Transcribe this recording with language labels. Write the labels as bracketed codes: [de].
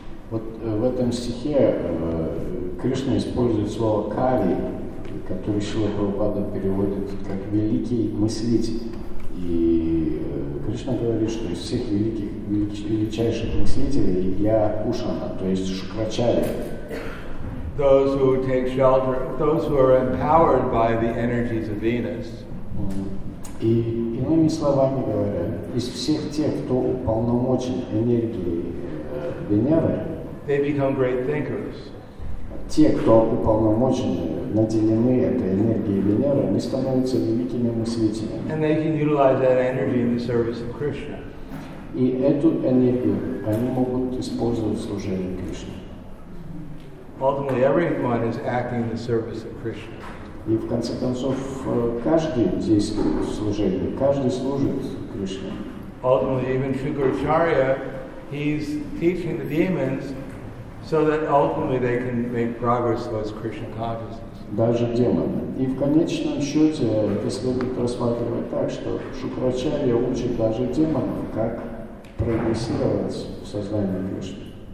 [ru] Вот в этом стихе Кришна использует слово Кали, которое Шрила Прабхупада переводит как великий мыслитель. И Кришна говорит, что из всех великих, величайших мыслителей я Ушана, то есть Шукрачарья. [en] Those who take shelter, those who are empowered by the energies of Venus. [ru] И иными словами говоря, из всех тех, кто уполномочен энергией Венеры, [en] they become great thinkers. [ru] Те, кто уполномочены, наделены этой энергией Венеры, они становятся великими мыслителями. [en] And they can utilize that energy in the service of Krishna. [ru] И эту энергию они могут использовать в служении Кришне. [en] Ultimately, everyone is acting in the service of Krishna. [ru] И в конце концов, каждый действует в служении, каждый служит Кришне. [en] Ultimately, even Shukracharya, he's teaching the demons so that ultimately they can make progress towards Krishna consciousness. [ru] Даже демоны. И в конечном счете это следует рассматривать так, что Шукрачарья учит даже демонов, как прогрессировать в сознании Кришны.